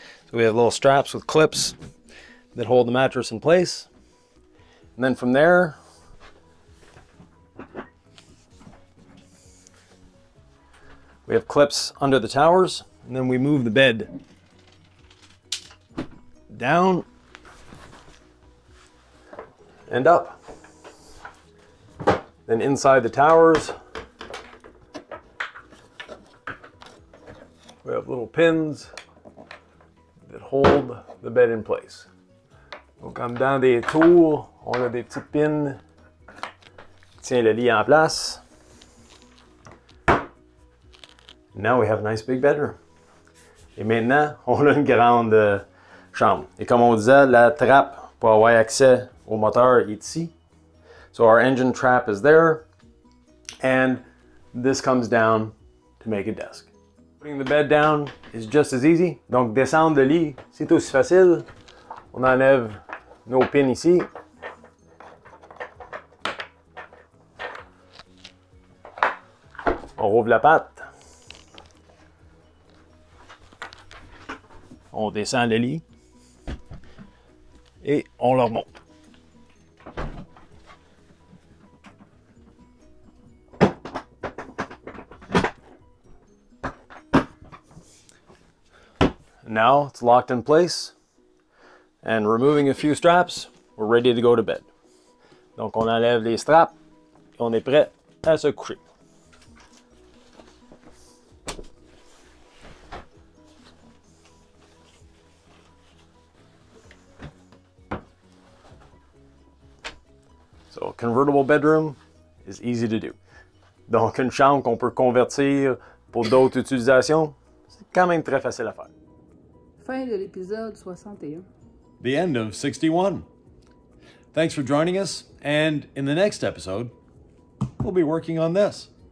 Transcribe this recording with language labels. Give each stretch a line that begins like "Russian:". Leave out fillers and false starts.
English: So, we have little straps with clips that hold the mattress in place. And then from there, we have clips under the towers, and then we move the bed down and up. Then inside the towers, We have little pins that hold the bed in place.
French: Donc, comme dans des tours, on a des petites pins qui tiennent le lit en place.
English: Now we have a nice big bedroom.
French: Et maintenant, on a une grande chambre. Et comme on disait, la trappe pour avoir accès au moteur est ici.
English: So our engine trap is there. And this comes down to make a desk. Putting the bed down is just as easy.
French: Donc descendre le lit, c'est aussi facile. On enlève nos pins ici. On rouvre la patte. On descend le lit et on le remonte.
English: Now it's locked in place and removing a few straps, we're ready to go to bed.
French: Donc on enlève les straps et on est prêt à se coucher.
English: So a convertible bedroom is easy to do.
French: Donc une chambre qu'on peut convertir pour d'autres utilisations, c'est quand même très facile à faire. Fin de l'épisode 61.
English: The end of 61. Thanks for joining us, and in the next episode, we'll be working on this.